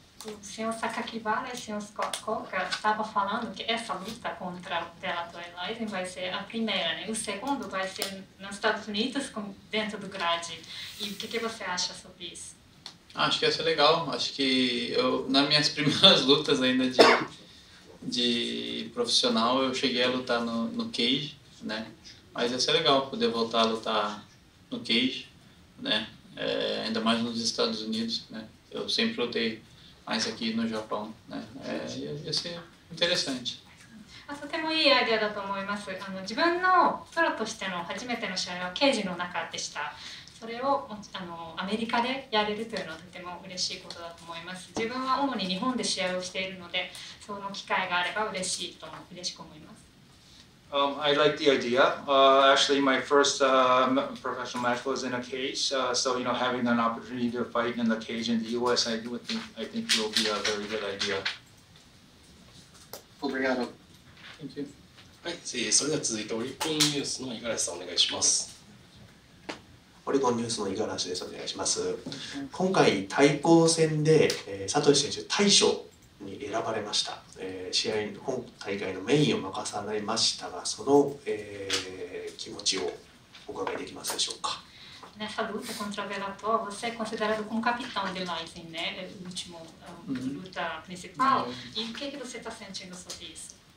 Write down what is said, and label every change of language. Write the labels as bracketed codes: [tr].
[pt] O senhor Sakakibara e o senhor Scott Coker estavam falando que essa luta contra o Bellator e Rizin vai ser a primeira, né? O segundo vai ser nos Estados Unidos dentro do grade. E o que, que você acha sobre isso? Acho que ia ser legal. Acho que eu, nas minhas primeiras lutas ainda de profissional, eu cheguei a lutar no cage, né? Mas ia ser legal poder voltar a lutar no cage, né? É, ainda mais nos Estados Unidos, né? Eu sempre lutei mais aqui no Japão, né? É, ia ser interessante. [ja] とてもいいアイデアだと思います。あの自分のプロとしての初めての試合はケージの中でした。それをあのアメリカでやれるというのはとても嬉しいことだと思います。自分は主に日本で試合をしているので、その機会があれば嬉しいと嬉しく思います。 [en] I like the idea. Actually, my first professional match was in a cage. So, you know, having an opportunity to fight in the cage in the U.S., I think it will be a very good idea. [pt] Obrigado. [en] Thank you. [ja] はい、それでは続いてオリコンニュースの五十嵐さんお願いします。オリコンニュースの五十嵐です。お願いします。今回、対抗戦で、佐藤選手、大将。に選ばれました、試合の本大会のメインを任されましたがその、気持ちをお伺いできますでしょうか。 [pt] Nessa luta contra o Bellator, você é considerado como capitão de Rizin, né? O último luta principal. E o que que você está sentindo sobre isso?